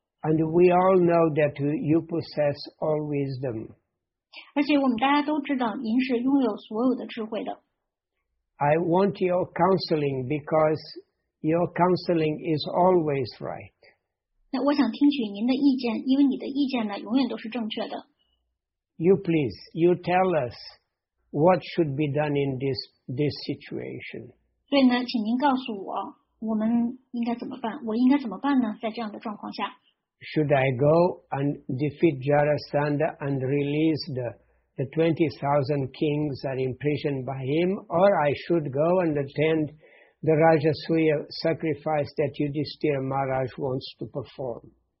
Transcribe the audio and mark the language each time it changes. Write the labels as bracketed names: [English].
[English] And we all know that you possess all wisdom. [Chinese] 而且我们大家都知道您是拥有所有的智慧的。 [English] I want your counseling because your counseling is always right. [Chinese] 那我想听取您的意见，因为你的意见呢永远都是正确的。 [English] You please, you tell us. What should be done in this situation? [Chinese] 所以呢，请您告诉我，我们应该怎么办？我应该怎么办呢？在这样的状况下 [English] ，Should I go and defeat Jarasandha and release the 20,000 kings that are imprisoned by him, or I should go and attend the Rajasuya sacrifice that Yudhisthira Maharaj wants to perform?